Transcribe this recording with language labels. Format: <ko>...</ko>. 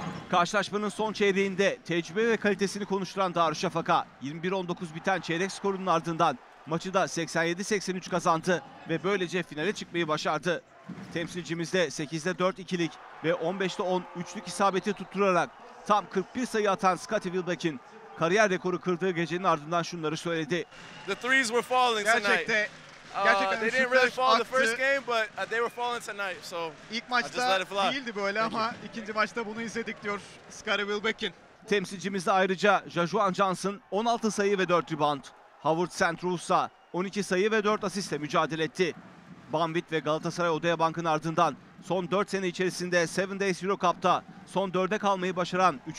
<tr>Karşılaşmanın son çeyreğinde tecrübe ve kalitesini konuşturan Darüşşafaka, 21-19 biten çeyrek skorunun ardından maçı da 87-83 kazandı ve böylece finale çıkmayı başardı. Temsilcimizde 8'de 4 ikilik ve 15'de 10 üçlük isabeti tutturarak tam 41 sayı atan Scottie Wilbeck'in kariyer rekoru kırdığı gecenin ardından şunları söyledi.</tr> <en>The threes were falling tonight. They didn't really fall the first game but they were falling tonight. So</en> <tr>ilk maçta değildi böyle ama ikinci maçta bunu izledik diyor Scottie Wilbeck'in. Temsilcimizde ayrıca Jajuan Johnson 16 sayı ve 4 rebound, Howard Santrus'a 12 sayı ve 4 asistle mücadele etti. Banvit ve Galatasaray Odaya Bank'ın ardından son 4 sene içerisinde 7 Days Euro Cup'ta son 4'e kalmayı başaran 3.</tr>